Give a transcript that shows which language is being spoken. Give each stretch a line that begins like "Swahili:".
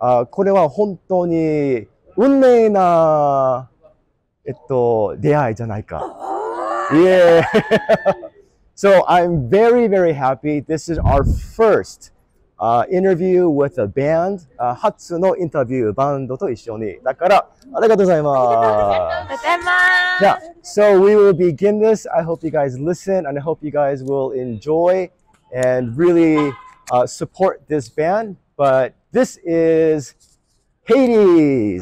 Japanese: これは本当に運命な出会いじゃないか。
English: Yeah. So I'm very, very happy. This is our first interview with a band.
Japanese: 初のインタビュー、バンドと一緒に。だから、ありがとうございます。ありがとうございます。
English: Yeah. So we will begin this. I hope you guys listen and I hope you guys will enjoy. And really support this band, but this is Hades!